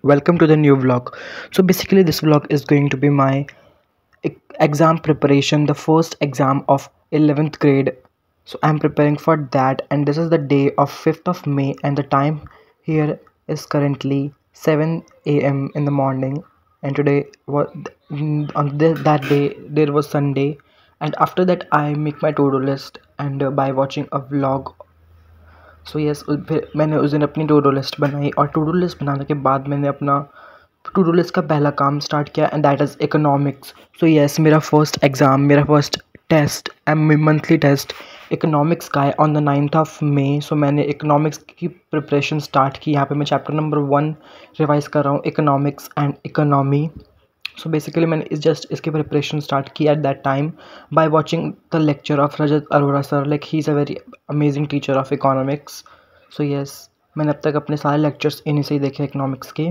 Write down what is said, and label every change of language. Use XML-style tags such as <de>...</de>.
<en>Welcome to the new vlog. So basically this vlog is going to be my exam preparation, the first exam of 11th grade. So I am preparing for that and this is the day of 5th of May and the time here is currently 7 AM in the morning. And today that day there was Sunday. And after that, I make my to-do list and by watching a vlog. So yes,</en> <hi>फिर मैंने उस दिन अपनी to-do list बनाई और to-do list बनाने के बाद मैंने अपना to-do list का पहला काम start किया</hi> <en>and that is economics. So yes,</en> <hi>मेरा first exam, मेरा first test and monthly test economics का है</hi> <en>on the 9th of May.</en> <hi>So मैंने economics की preparation start की. यहाँ पर मैं chapter number 1 revise कर रहा हूँ, economics and economy.</hi> <en>so basically</en> <hi>मैंने इसकी प्रिपरेशन स्टार्ट की</hi> <en>At that time by watching the lecture of Rajat Arora sir. Like he is a very amazing teacher of economics. So yes,</en> <hi>मैंने अब तक अपने सारे लेक्चर्स इन्हीं से ही देखे इकोनॉमिक्स के.</hi>